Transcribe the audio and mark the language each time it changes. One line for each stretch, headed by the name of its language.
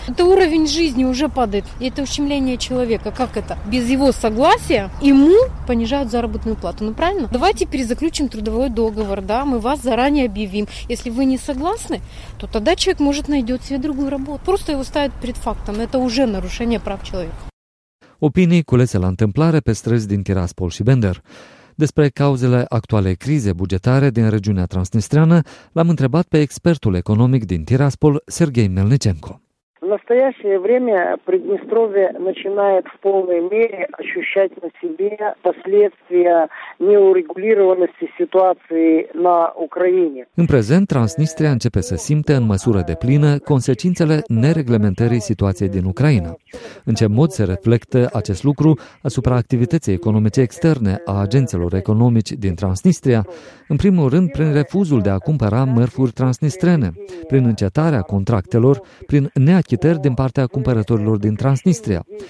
Russian: Это уровень жизни уже падает. Это ущемление человека. Как это? Без его согласия ему понижают заработную плату. Ну правильно? Давайте перезаключим трудовой договор, да, мы вас заранее объявим. Если вы не согласны, то тогда человек может найдет себе другую работу. Просто его ставят перед фактом. Это уже нарушение прав человека.
Romanian: Опинии кулесе ла întâmplare pe străzi din Tiraspol și Bender. Despre cauzele actualei crize bugetare din regiunea transnistreană l-am întrebat pe expertul economic din Tiraspol, Sergei Melnicenko.
Russian: В настоящее время Приднестровье начинает в полной мере ощущать на себе последствия неурегулированности ситуации на Украине.
Romanian: În prezent, Transnistria începe să simte în măsură de plină consecințele nereglementării situației din Ucraina. În ce mod se reflectă acest lucru asupra activității economice externe a agențelor economici din Transnistria? În primul rând, prin refuzul de a cumpăra mărfuri transnistrene, prin încetarea contractelor, prin neachitarea din partea cumpărătorilor din Transnistria.